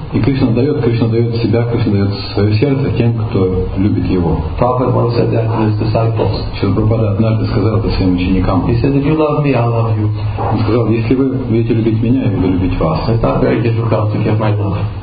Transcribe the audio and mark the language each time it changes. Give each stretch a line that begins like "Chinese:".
Russian: И Кришна дает себя, Кришна дает свое сердце тем, кто любит его.
English: Prabhupada once said that to his disciples.
Russian: Прабхупада однажды сказал это своим ученикам.
English: He said, if you love me, I'll love you.
Russian: Он сказал, если вы будете любить меня, я буду любить вас.
English: It's not very difficult to get my love.